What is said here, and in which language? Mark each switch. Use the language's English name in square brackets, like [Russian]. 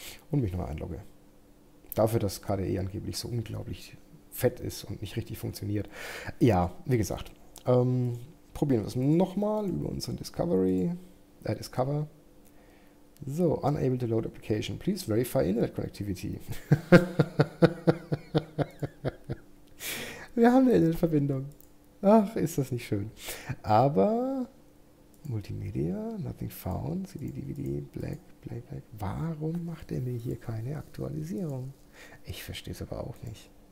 [German] Und mich nochmal einlogge. Dafür, dass KDE angeblich so unglaublich fett ist und nicht richtig funktioniert. Ja, wie gesagt. Probieren wir es nochmal über unseren Discover. [English] So, unable to load application. Please verify Internet Connectivity. [German] Wir haben eine Internetverbindung. Ach, ist das nicht schön. Aber Multimedia, [English] nothing found, [German] CD, DVD, black. Warum macht er mir hier keine Aktualisierung? Ich verstehe es aber auch nicht.